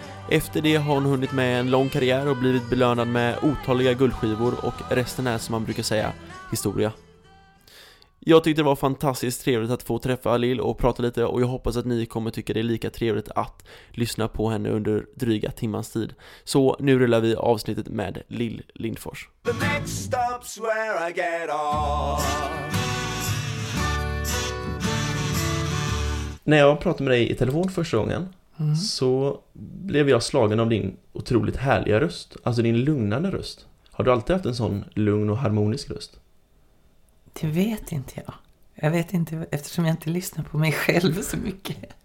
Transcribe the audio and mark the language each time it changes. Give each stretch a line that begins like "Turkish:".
Swedish: Efter det har hon hunnit med en lång karriär och blivit belönad med otaliga guldskivor, och resten är, som man brukar säga, historia. Jag tyckte det var fantastiskt trevligt att få träffa Lill och prata lite, och jag hoppas att ni kommer tycka det är lika trevligt att lyssna på henne under dryga timmans tid. Så nu rullar vi avsnittet med Lill Lindfors.
English: The next stop's where I get off.
Swedish: När jag pratade med dig i telefon första gången så blev jag slagen av din otroligt härliga röst, alltså din lugnande röst. Har du alltid haft en sån lugn och harmonisk röst? Det vet inte jag. Jag vet inte, eftersom jag inte lyssnar på mig själv så mycket.